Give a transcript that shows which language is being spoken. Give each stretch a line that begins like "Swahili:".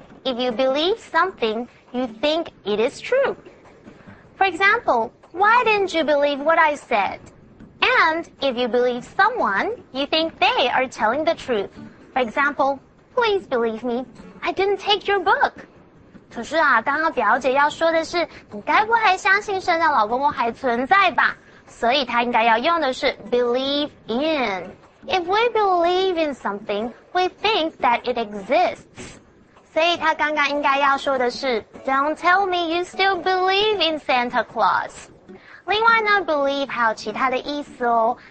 English: If you believe something, you think it is true. For example, why didn't you believe what I said? And if you believe someone, you think they are telling the truth. For example. Please believe me, I didn't take your book.
Chinese: 可是啊，刚刚表姐要说的是，你该不还相信圣诞老公公还存在吧？所以她应该要用的是 believe in.
English: If we believe in something, we think that it exists.
Chinese: 所以她刚刚应该要说的是
English: don't tell me you still believe in Santa Claus.
Chinese: 另外呢 ，believe 还有其他的意思哦。